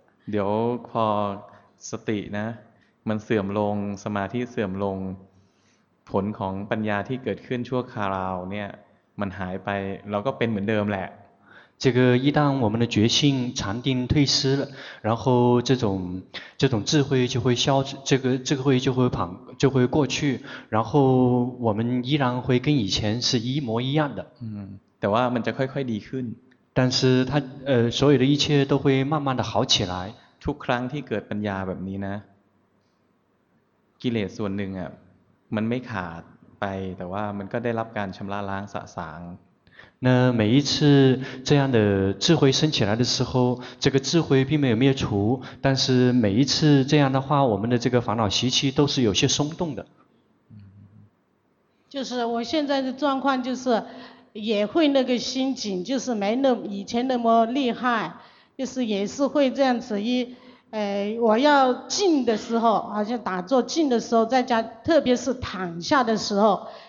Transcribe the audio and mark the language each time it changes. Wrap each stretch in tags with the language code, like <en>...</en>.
<th>เดี๋ยวพอสตินะมันเสื่อมลงสมาธิเสื่อมลงผลของปัญญาที่เกิดขึ้นชั่วคราวเนี่ยมันหายไปเราก็เป็นเหมือนเดิมแหละ</th> <zh>这个一旦我们的觉性禅定退失了然后这种智慧就会消这个慧就会过去然后我们依然会跟以前是一模一样的</zh> <th>แต่ว่ามันจะค่อยๆดีขึ้น</th> <zh>但是它所有的一切都会慢慢的好起来</zh> <th>ทุกครั้งที่เกิดปัญญาแบบนี้นะกิเลสส่วนหนึ่งอ่ะมันไม่ขาดไปแต่ว่ามันก็ได้รับการชำระล้างสะสาง</th> <zh>那每一次这样的智慧升起来的时候这个智慧并没有灭除但是每一次这样的话我们的这个烦恼习气都是有些松动的就是我现在的状况就是也会那个心紧就是没那以前那么厉害就是也是会这样子一我要静的时候好像打坐静的时候在家特别是躺下的时候</zh>